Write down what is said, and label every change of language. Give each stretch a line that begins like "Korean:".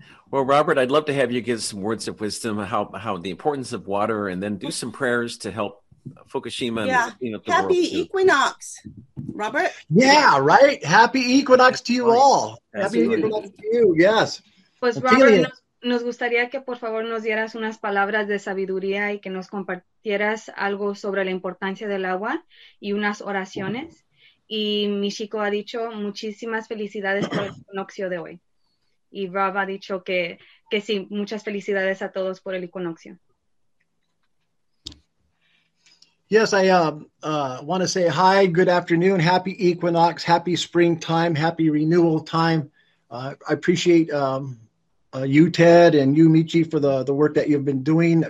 English: Well, Robert, I'd love to have you give some words of wisdom how the importance of water, and then do some prayers to help Fukushima. Yeah, and, happy equinox, Robert. Yeah, right. Happy equinox to you all. Happy equinox to you. Yes.
Spanish: Pues, Robert, nos gustaría que por favor nos dieras unas palabras de sabiduría y que nos compartieras algo sobre la importancia del agua y unas oraciones. Y mi chico ha dicho muchísimas felicidades por el equinoccio de hoy. Y Rob ha dicho que sí, muchas felicidades a todos por el equinoccio.
English: Yes, I want to say hi, good afternoon, happy equinox, happy springtime, happy renewal time. I appreciate you, Ted, and you, Michi, for the work that you've been doing.